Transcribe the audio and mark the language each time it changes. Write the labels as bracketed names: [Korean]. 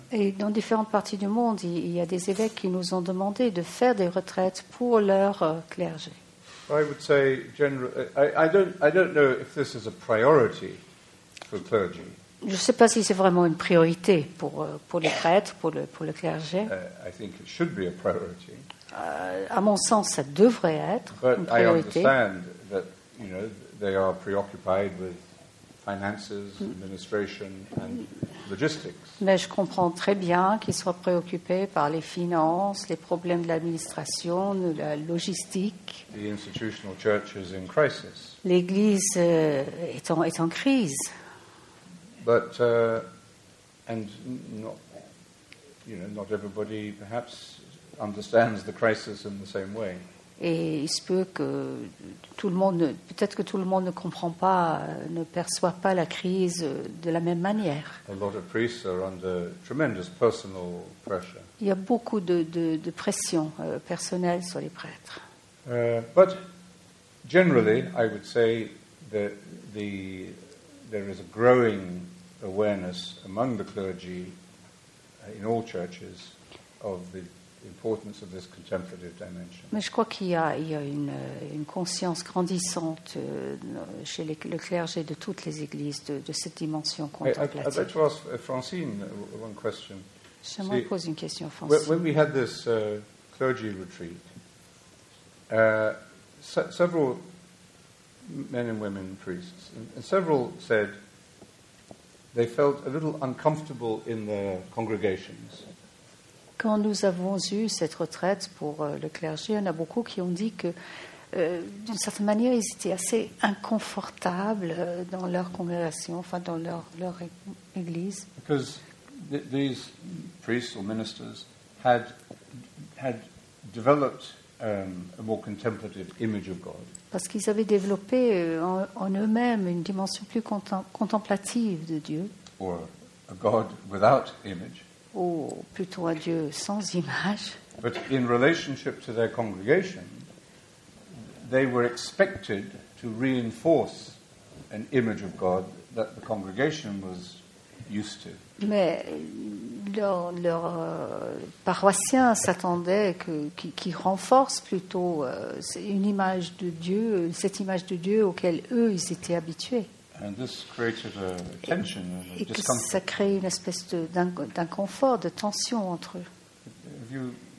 [French] Et dans différentes parties du monde, il y a des évêques qui nous ont demandé de faire des retraites pour leur clergé. [English] I would say generally, I don't know if this is a priority for clergy. [French] Je ne sais pas si c'est vraiment une priorité pour les prêtres, pour le clergé. [English] I think it should be a priority. [French] À mon sens, ça devrait être [English] But [French] une priorité. [English] I understand that, you know, they are preoccupied with finances, administration and logistics. [French] Mais je comprends très bien qu'ils soient préoccupés par les finances, les problèmes de l'administration, de la logistique. [English] The institutional church is in crisis. [French] L'Église est en crise. [English] But and not you know, not everybody perhaps understands the crisis in the same way. [French] Et il se peut que tout le monde, peut-être que tout le monde ne comprend pas, ne perçoit pas la crise de la même manière. [English] A lot of priests are under tremendous personal pressure. [French] Il y a beaucoup de pression personnelle sur les prêtres. [English] But generally, I would say that there is a growing awareness among the clergy in all churches of the importance of this contemplative dimension. [French] Mais je crois qu'il y a une conscience grandissante chez le clergé de toutes les églises de cette dimension contemplative. [English] I'd like to ask Francine one question. [French] J'aimerais poser une question à Francine. [English] When we had this clergy retreat, several men and women priests, and several said they felt a little uncomfortable in their congregations. [French] Quand nous avons eu cette retraite pour le clergé, il y en a beaucoup qui ont dit que, d'une certaine manière, ils étaient assez inconfortables dans leur congrégation, enfin dans leur église. [English] Because these priests or ministers had developed a more contemplative image of God. [French] Parce qu'ils avaient développé en eux-mêmes une dimension plus contemplative de Dieu. [English] Or a God without image. [French] Ou plutôt un Dieu sans image. [English] But in relationship to their congregation, they were expected to reinforce an image of God that the congregation was used to. [French] Mais leur paroissiens s'attendaient qu'ils renforcent plutôt une image de Dieu, cette image de Dieu auquel eux ils étaient habitués. [English] And this created a tension, [French] et que ça crée une espèce d'inconfort, de tension entre eux.